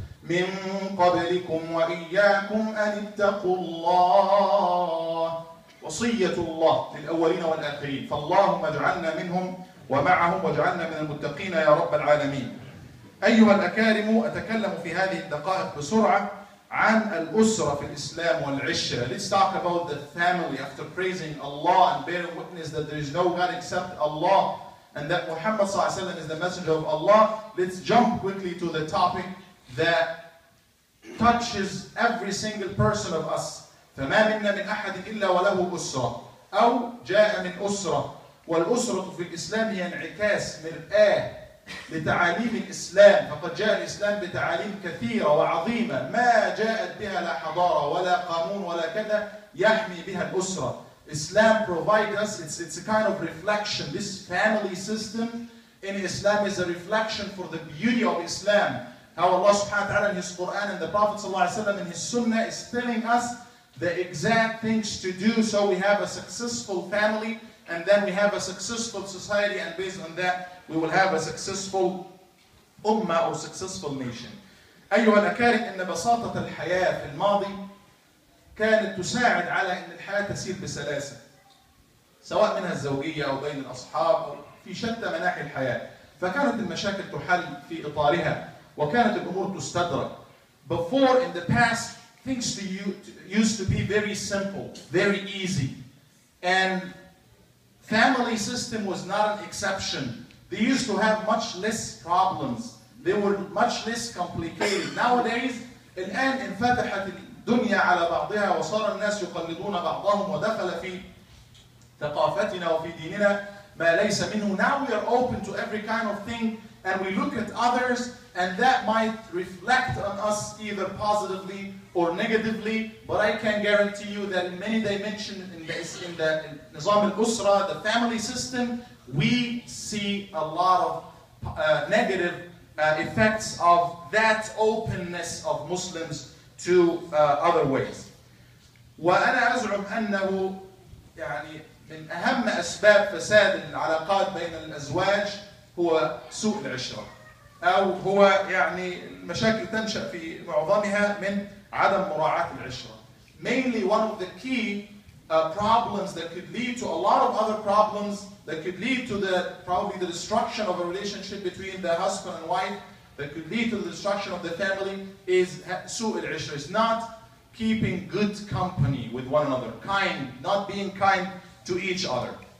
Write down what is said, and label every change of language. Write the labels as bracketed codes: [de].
[ar] من قبلكم وإياكم أن اتقوا الله وصية الله للأولين والآخرين فاللهم اجعلنا منهم ومعهم واجعلنا من المتقين يا رب العالمين أيها الأكارم أتكلم في هذه الدقائق بسرعة عن الأسرة في الإسلام والعشة. [en] Let's talk about the family after praising Allah and bearing witness that there is no God except Allah and that Muhammad صلى الله عليه وسلم is the messenger of Allah. Let's jump quickly to the topic that touches every single person of us. [ar] فما منا من أحد إلا وله أسرة أو جاء من أسرة والأسرة في الإسلام هي انعكاس مرآة لتعاليم الإسلام فقد جاء الإسلام بتعاليم كثيرة وعظيمة ما جاءت بها لا حضارة ولا قانون ولا كذا يحمي بها الأسرة [en] Islam provides us, it's a kind of reflection This family system in Islam is a reflection for the beauty of Islam How Allah subhanahu wa ta'ala in His Quran and the Prophet sallallahu alayhi wa sallam in His Sunnah is telling us the exact things to do so we have a successful family and then we have a successful society and based on that we will have a successful ummah or successful nation. [ar] أيها الأكارم إن بساطة الحياة في الماضي كانت تساعد على إن الحياة تسير بسلاسة سواء منها الزوجية أو بين الأصحاب أو في شتى مناحي الحياة فكانت المشاكل تحل في إطارها وكانت الأمور تستدرك. [en] Before in the past things used to be very simple, very easy and family system was not an exception. They used to have much less problems. They were much less complicated. Nowadays, [ar] الآن انفتحت الدنيا على بعضها وصار الناس يقلدون بعضهم ودخل في ثقافتنا وفي ديننا ما ليس منه. [en] Now we are open to every kind of thing and we look at others and that might reflect on us either positively or negatively. But I can guarantee you that in many dimensions in the [ar] نظام الأسرة, [en] the family system, we see a lot of negative effects of that openness of Muslims to other ways. [ar] وأنا أزعم أنه يعني من أهم أسباب فساد العلاقات بين الأزواج هو سوء العشرة أو هو يعني المشاكل تنشأ في معظمها من عدم مراعاة العشرة. [en] Mainly one of the key problems that could lead to a lot of other problems that could lead to probably the destruction of a relationship between the husband and wife that could lead to the destruction of the family is [ar] سوء العشرة [en] is not keeping good company with one another kind not being kind to each other